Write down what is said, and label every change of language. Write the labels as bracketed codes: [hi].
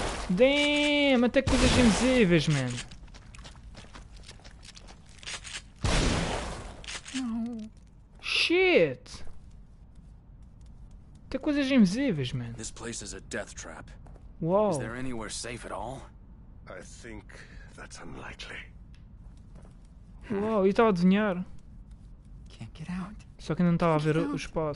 [pt] Damn, até coisas invisíveis, man. [en] Shit! [pt] Tem coisas invisíveis, man. [en] This place is a death trap. Whoa. Is there anywhere safe at all? I think that's unlikely. [pt] Whoa, eu estava a adivinhar. [en] Can't get out. [pt] Só que ainda não estava a ver os espaços.